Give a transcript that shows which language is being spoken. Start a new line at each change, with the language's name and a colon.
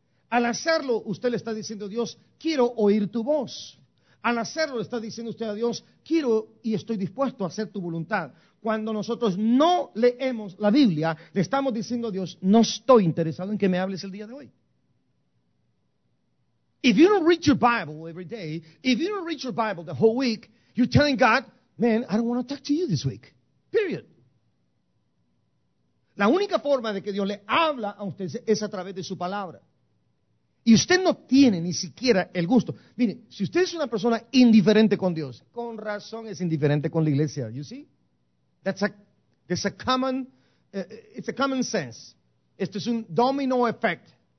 Spanish: Al hacerlo, usted le está diciendo a Dios, quiero oír tu voz. Al hacerlo, le está diciendo usted a Dios, quiero y estoy dispuesto a hacer tu voluntad. Cuando nosotros no leemos la Biblia, le estamos diciendo a Dios, no estoy interesado en que me hables el día de hoy.
English: If you don't read your Bible every day, if you don't read your Bible the whole week, you're telling God, man, I don't want to talk to you this week. Period.
Spanish: La única forma de que Dios le habla a usted es a través de su palabra. y usted no tiene ni siquiera el gusto. Mire, si usted es una persona indiferente con Dios, con razón es indiferente con la iglesia.
English: You see? It's a common sense.
Spanish: Esto es un
English: domino effect.